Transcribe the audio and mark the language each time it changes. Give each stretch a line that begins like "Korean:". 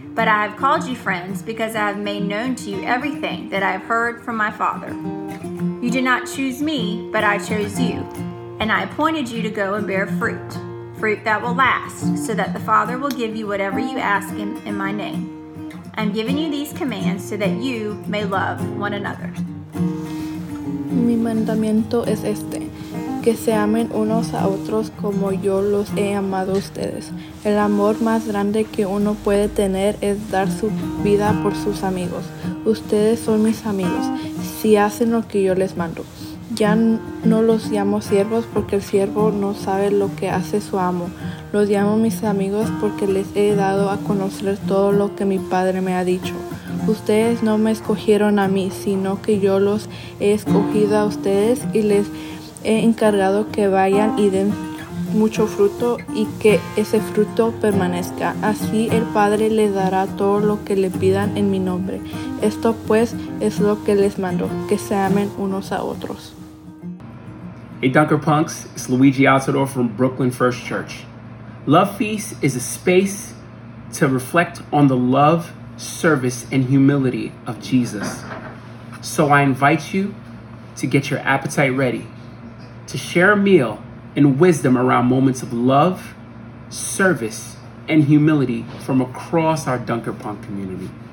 English: But I have called you friends because I have made known to you everything that I have heard from my Father. You did not choose me, but I chose you. And I appointed you to go and bear fruit, fruit that will last, so that the Father will give you whatever you ask him in my name. I am giving you these commands so that you may love one another.
Spanish: Mi mandamiento es este, que se amen unos a otros como yo los he amado a ustedes. El amor más grande que uno puede tener es dar su vida por sus amigos. Ustedes son mis amigos, si hacen lo que yo les mando. Ya no los llamo siervos porque el siervo no sabe lo que hace su amo. Los llamo mis amigos porque les he dado a conocer todo lo que mi Padre me ha dicho. Ustedes no me escogieron a mí, sino que yo los he escogido a ustedes y les he encargado que vayan y den mucho fruto y que ese fruto permanezca. Así el Padre les dará todo lo que le pidan en mi nombre. Esto pues es lo que les mando, que se amen unos a otros.
English: Hey Dunkerpunks, it's Luigi Altidore from Brooklyn First Church. Love Feast is a space to reflect on the love, service, and humility of Jesus. So I invite you to get your appetite ready, to share a meal and wisdom around moments of love, service, and humility from across our Dunkerpunk community.